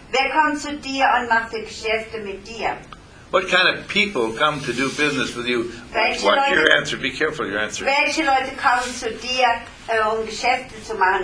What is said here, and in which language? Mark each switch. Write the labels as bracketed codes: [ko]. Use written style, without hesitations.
[de] Wer kommt zu dir und macht Geschäfte mit dir? [en] What kind of people come to do business with you? Watch your answer. Be careful your answer. [de] Welche Leute kommen zu dir, Geschäfte zu machen?